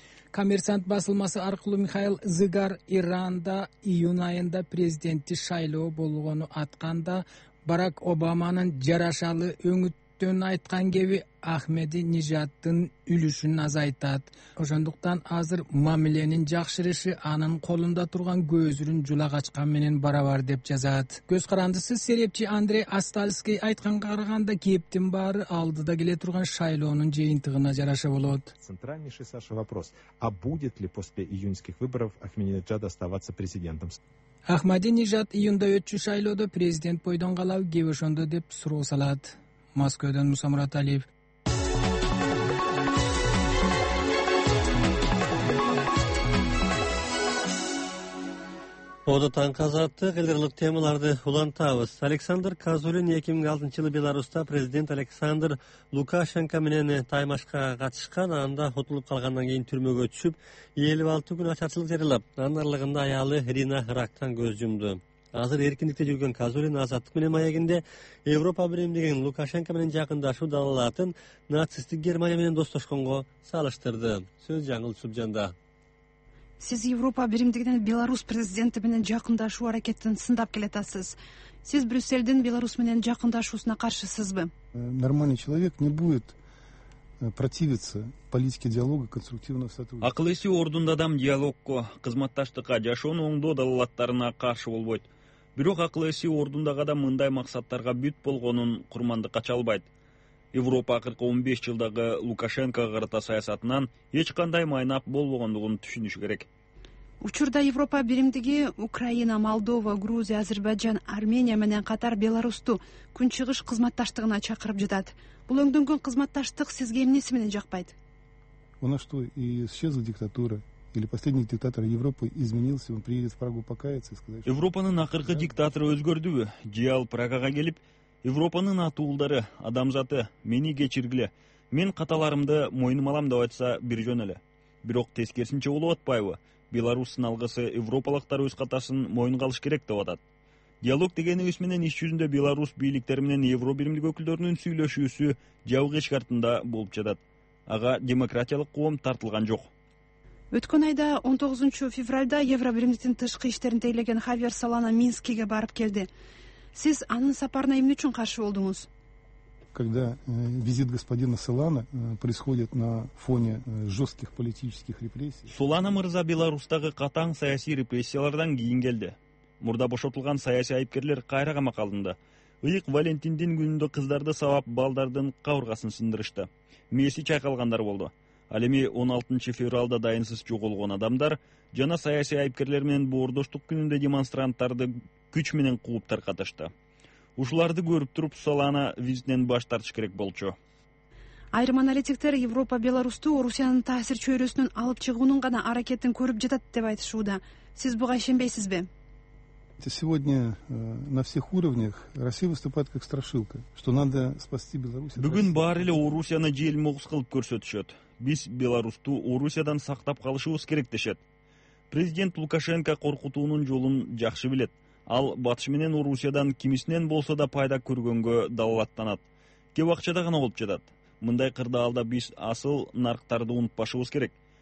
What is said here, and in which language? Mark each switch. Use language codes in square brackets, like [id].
[ky] Коммерсант басылмасы аркылуу Михаил Зыгар Иранда июнь айында президенттик шайлоо болгону атканда Барак Обаманын жарашалы өңүттөн айткан кеби Ахмеди Нижаттын үлүшүн азайтат. Ошондуктан азыр мамиленин жакшырышы анын колунда турган көзүрүн жулагачка менен барабар деп жазат. Көз карандысы серепчи Андрей Астальский айтканга караганда кептин баары алдыда келе турган шайлоонун жыйынтыгына жараша болот. [ru] Центральнейший Саша вопрос. А будет ли после июньских выборов Ахмединежад оставаться президентом? [ky] Ахмеди Нижат июнда өтчү шайлоодо президент бойдон калабы кеби ошондо деп суроо салат. Москвадан Муса Мураталиев. Одо таңкы азаттык элдерлик темаларды улантабыз. Александр Казулин 2006 жылы Беларусьта президент Александр Лукашенко менен таймашка катышкан, анда утулуп калгандан кийин түрмөгө түшүп 56 күн ачарчылык жарыялап, анын аралыгында аялы Рина рактан көз жумду. азыр эркиндикте жүргөн Казулин азаттык менен маегинде Европа биримдигин Лукашенко менен жакындашуу далалатын нацисттик Германия менен достошконго салыштырды. Сөз Жаңыл Субжанда. Сиз Европа биримдигинен Беларус президенти менен жакындашуу аракетин сындап келатасыз. Сиз Брюсселдин Беларусь менен жакындашуусуна каршысызбы? [ru] Нормальный человек не будет противиться политике диалога конструктивного сотрудничества. [ky] Акыл эси ордунда адам диалогко, кызматташтыкка, жашоону оңдоо далалаттарына каршы болбойт. Бирок акыл эси ордундагы адам мындай максаттарга бүт болгонун курмандыкка чалбайт. Европа акыркы 15 жылдагы Лукашенкога карата саясатынан эч кандай майнап болбогондугун түшүнүш керек. Учурда Европа биримдиги Украина, Молдова, Грузия, Азербайджан, Армения менен катар Беларусту күнчыгыш кызматташтыгына чакырып жатат. Бул өңдөнгөн кызматташтык сизге эмнеси менен жакпайт? [ru] У нас что, и исчезла диктатура? Или последний диктатор Европы изменился, он приедет в Прагу покаяться и сказать, что... [ky] Европанын акыркы диктатору өзгөрдүбү? Же ал Прагага келип, Европанын атуулдары, адамзаты, мени кечиргиле, мен каталарымды мойнума алам деп айтса бир жөн эле. Бирок тескерисинче болуп атпайбы? Беларусьтун алгысы европалыктар өз катасын мойнуга алыш керек деп атат. Диалог дегениңиз менен иш жүзүндө Беларусь бийликтери менен Евро биримдиги өкүлдөрүнүн сүйлөшүүсү жабык эшик артында болуп жатат. Ага демократиялык коом тартылган жок. Өткөн айда 19 февралда Евро биримдиктин тышкы иштерин тейлеген Хавьер Солана Минскиге барып келди. Сиз анын сапарына эмне үчүн каршы болдуңуз? [ru] Когда визит господина Солана происходит на фоне жестких политических репрессий. [ky] Солана мырза Беларусьтагы катаң саясий репрессиялардан кийин келди. Мурда бошотулган саясий айыпкерлер кайра камакка алынды. Ыйык Валентиндин күнүндө кыздарды сабап, балдардын кабыргасын сындырышты. Мээси чайкалгандар болду. Ал эми 16 февралда дайынсыз жоголгон адамдар жана саясий айыпкерлер менен боордоштук күнүндө демонстранттарды күч менен кууп тарката. Ушуларды көрүп туруп, Солана визитинен баш тартыш керек болчу. Айрым аналитиктер Европа Беларусту Орусиянын таасир чөйрөсүнүн алып чыгуунун гана аракетин көрүп жатат деп айтышууда. Сиз буга ишенбейсизби? [ru] Сегодня на всех уровнях Россия выступает как страшилка, что надо спасти Беларусь. [ky] Бүгүн баары эле Орусияны желмогус кылып көрсөтүшөт. Биз Беларусту Орусиядан сактап калышыбыз керек дешет. Президент Лукашенко коркутуунун жолун жакшы билет. Ал батыш менен Орусиядан кимисинен болсо да пайда көргөнгө далалаттанат. Кеп акчада гана болуп жатат. Мындай кырдаалда биз асыл нарктарды унутпашыбыз керек.